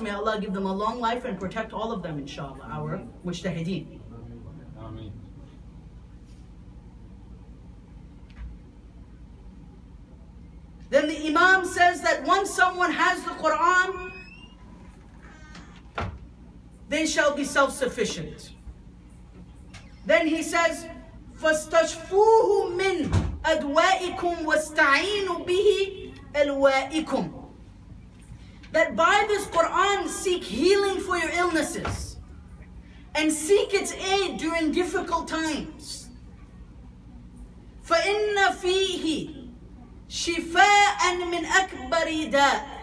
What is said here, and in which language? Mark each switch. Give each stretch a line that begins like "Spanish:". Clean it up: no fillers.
English: May Allah give them a long life and protect all of them, inshallah, our mujtahideen. Then the Imam says that once someone has the Quran, they shall be self-sufficient. Then he says,
Arabic: فَاسْتَشْفُوهُ مِنْ أَدْوَائِكُمْ وَاسْتَعِينُوا بِهِ أَلْوَائِكُمْ.
English: That by this Quran, seek healing for your illnesses and seek its aid during difficult times.
Arabic: فَإِنَّ فِيهِ شِفَاءً مِنْ أَكْبَرِ دَاء.